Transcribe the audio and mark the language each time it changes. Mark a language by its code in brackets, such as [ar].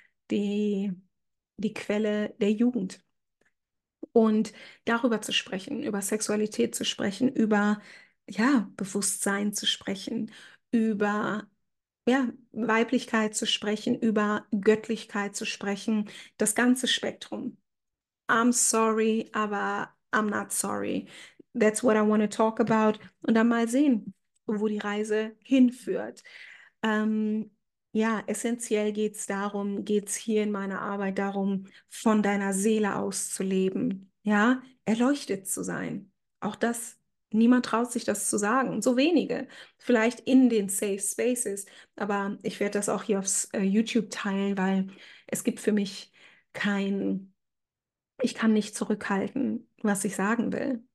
[de] die Quelle der Jugend. Und darüber zu sprechen, über Sexualität zu sprechen, über ja, Bewusstsein zu sprechen, über ja, Weiblichkeit zu sprechen, über Göttlichkeit zu sprechen, das ganze Spektrum. [en] I'm sorry, aber I'm not sorry. That's what I want to talk about. [de] Und dann mal sehen, wo die Reise hinführt. Ja, essentiell geht's darum, geht's hier in meiner Arbeit darum, von deiner Seele aus zu leben, ja, erleuchtet zu sein. Auch das, niemand traut sich das zu sagen, so wenige, vielleicht in den Safe Spaces, aber ich werde das auch hier auf YouTube teilen, weil es gibt für mich kein, ich kann nicht zurückhalten, was ich sagen will.